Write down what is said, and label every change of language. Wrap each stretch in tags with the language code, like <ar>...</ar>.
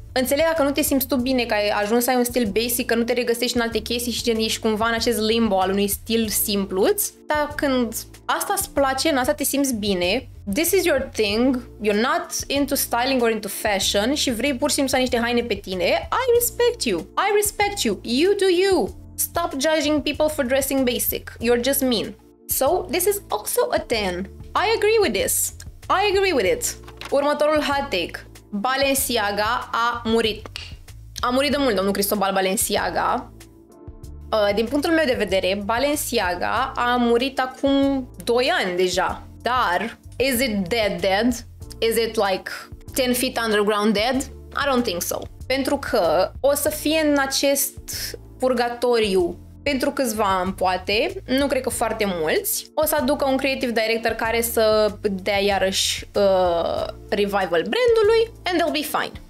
<ro>Înțeleg dacă nu te simți tu bine, că ai ajuns să ai un stil basic, că nu te regăsești în alte chestii și gen ești cumva în acest limbo al unui stil simpluț. Dar când asta îți place, în asta te simți bine,</ro> <en>this is your thing, you're not into styling or into fashion</en> <ro>și vrei pur și simplu să ai niște haine pe tine,</ro> <en>I respect you, you do you. Stop judging people for dressing basic, you're just mean. So, this is also a 10. I agree with it.</en> <ro>Următorul hot take. Balenciaga a murit. A murit de mult domnul Cristobal Balenciaga. Din punctul meu de vedere, Balenciaga a murit acum 2 ani deja. Dar,</ro> <en>is it dead? Is it like 10 feet underground dead? I don't think so.</en> <ro>Pentru că o să fie în acest purgatoriu pentru câțiva ani, poate, nu cred că foarte mulți, o să aducă un creative director care să dea iarăși revival brandului</ro> <en>and they'll be fine.</en>